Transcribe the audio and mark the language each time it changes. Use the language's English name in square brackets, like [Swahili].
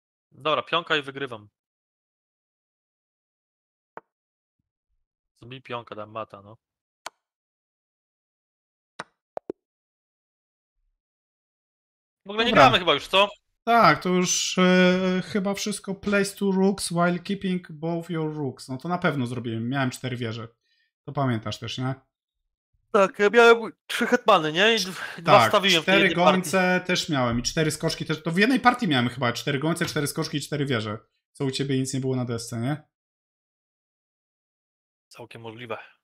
[Polish] Dobra, pionka i wygrywam. Co mi pionka tam mata, no. W ogóle nie gramy chyba już, co? Tak, to już chyba wszystko. [English] Place two rooks while keeping both your rooks. [Polish] No to na pewno zrobiłem. Miałem cztery wieże. To pamiętasz też, nie? Tak, ja miałem trzy hetmany, nie? I tak, dwa stawiłem. Cztery gońce też miałem i cztery skoczki też. To w jednej partii miałem chyba cztery gońce, cztery skoczki i cztery wieże. Co u ciebie nic nie było na desce, nie? Całkiem możliwe.